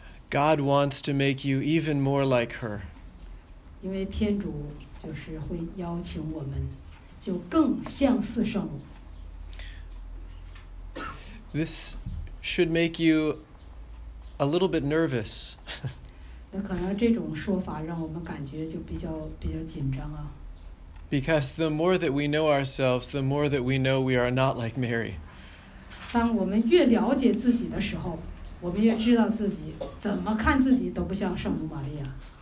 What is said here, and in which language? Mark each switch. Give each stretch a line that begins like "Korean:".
English: God wants to make you even more like her.
Chinese: 因为天主就是会邀请我们，就更像似圣母。
English: This should make you a little bit nervous.
Chinese: 那可能这种说法让我们感觉就比较紧张啊。
English: Because the more that we know ourselves, the more that we know we are not like Mary.
Chinese: 当我们越了解自己的时候。我们也知道自己怎么看自己都不像圣母玛利亚。